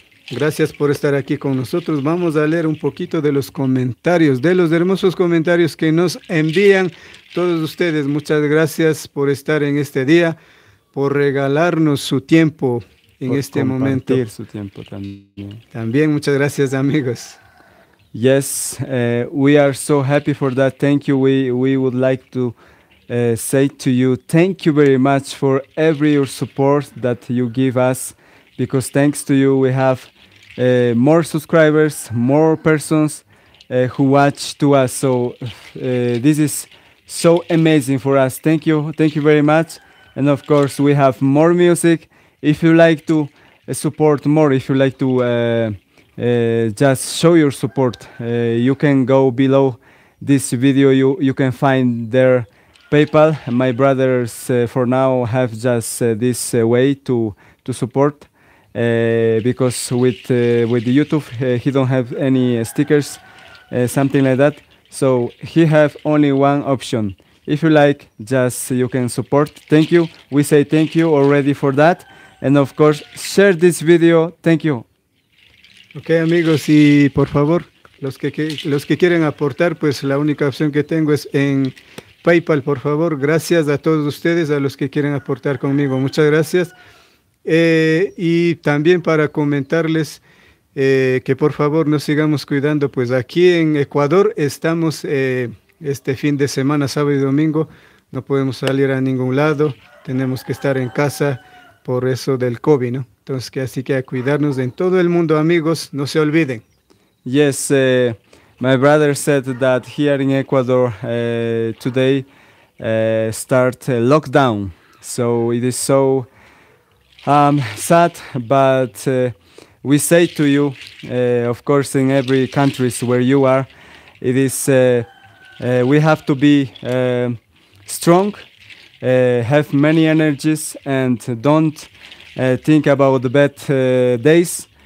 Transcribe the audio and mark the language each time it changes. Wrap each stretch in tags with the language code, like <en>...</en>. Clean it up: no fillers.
<es>Gracias por estar aquí con nosotros. Vamos a leer un poquito de los comentarios, de los hermosos comentarios que nos envían todos ustedes. Muchas gracias por estar en este día, por regalarnos su tiempo en este momento. Compartir su tiempo también. También muchas gracias, amigos.</es> <en>Yes, we are so happy for that. Thank you. We would like to say to you, thank you very much for every your support that you give us. Because thanks to you, we have more subscribers, more persons who watch to us. So this is so amazing for us. Thank you. Thank you very much. And of course, we have more music. If you like to support more, if you like to just show your support, you can go below this video. You can find there PayPal. My brothers for now have just this way to support. Because with the YouTube, he don't have any stickers, something like that. So he have only one option. If you like, just you can support. Thank you. We say thank you already for that. And of course, share this video. Thank you.</en> <es>Okay, amigos, y por favor, los que quieren aportar, pues la única opción que tengo es en PayPal. Por favor, gracias a todos ustedes, a los que quieren aportar conmigo. Muchas gracias. Y también para comentarles que por favor nos sigamos cuidando, pues aquí en Ecuador estamos este fin de semana, sábado y domingo, no podemos salir a ningún lado, tenemos que estar en casa por eso del COVID, ¿no? Entonces, así que a cuidarnos en todo el mundo, amigos, no se olviden.</es> <en>Yes, my brother said that here in Ecuador today start a lockdown, so it is so sad, but we say to you, of course, in every country where you are, it is we have to be strong, have many energies, and don't think about the bad days.</en>